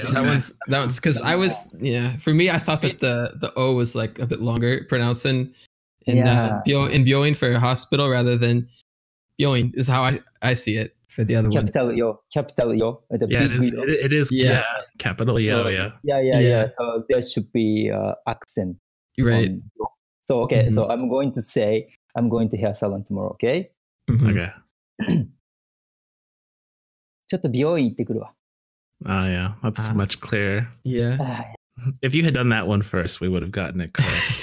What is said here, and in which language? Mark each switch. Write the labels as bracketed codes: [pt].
[en] That one's because I was, yeah, for me, I thought that the O was like a bit longer pronouncing in Bioin for hospital rather than Bioin is how I see it for the other capital one. Capital Yo. It is capital Yo. Yeah. So there should be accent. Right. So, okay. Mm-hmm. So I'm going to say, I'm going to hair salon tomorrow. Okay. Mm-hmm. Okay. [ja] ちょっと美容院行ってくるわ。 [en] Ah, yeah, that's much clearer. Yeah. If you had done that one first, we would have gotten it correct.